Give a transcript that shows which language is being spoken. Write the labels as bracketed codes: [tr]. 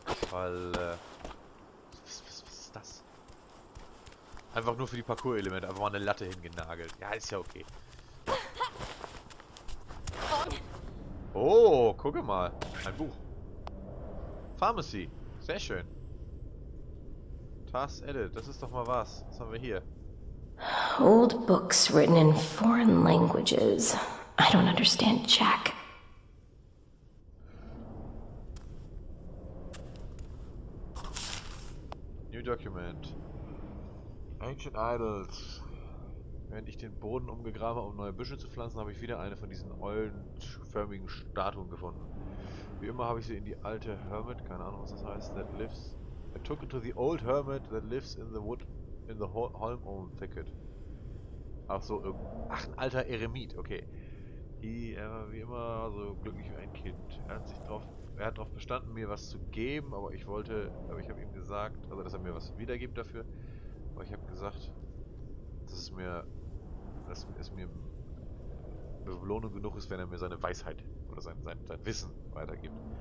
[de] Weil. Was ist das? Einfach nur für die Parkour-Elemente, einfach mal eine Latte hingenagelt. Ja, ist ja okay. Oh, gucke mal. Ein Buch. Pharmacy. Sehr schön. Task Edit, das ist doch mal was. Was haben wir hier? [en] Old books written in foreign languages. I don't understand Jack. New document. Ancient Idols. [de] Während ich den Boden umgegraben habe, um neue Büsche zu pflanzen, habe ich wieder eine von diesen eulenförmigen Statuen gefunden. Wie immer habe ich sie in die alte Hermit, keine Ahnung was das heißt, [en] that lives. I took it to the old Hermit that lives in the wood in the Holmholm Thicket. [de] Ach so, ein alter Eremit, okay. Wie immer so glücklich wie ein Kind. Er hat darauf bestanden, mir was zu geben, aber ich habe ihm gesagt, also dass er mir was wiedergibt dafür. Aber ich habe gesagt, dass es mir Belohnung genug ist, wenn er mir seine Weisheit oder sein Wissen weitergibt.